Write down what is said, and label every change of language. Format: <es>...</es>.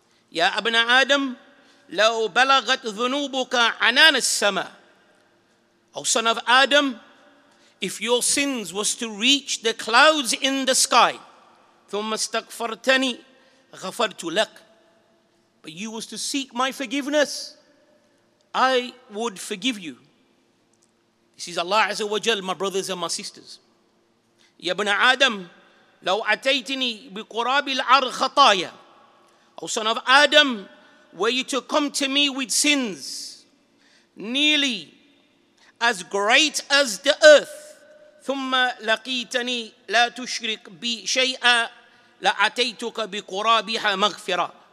<en>Ya abna Adam,</en> <ar>لو بلغت ذنوبك عنان السماء.</ar> <en>O son of Adam, if your sins was to reach the clouds in the sky,</en> <ar>ثم استغفرتني غفرت لك.</ar> <en>But you was to seek my forgiveness, I would forgive you. This is Allah Azza wa Jal, my brothers and my sisters. Ya ibn Adam,</en> <ar>لو أتيتني بقراب العر خطايا.</ar> <en>O son of Adam, were you to come to me with sins nearly as great as the earth,</en> <ar>ثم لقيتني لا تشرك بي شيئا لأتيتك بقرابها مغفرة.</ar>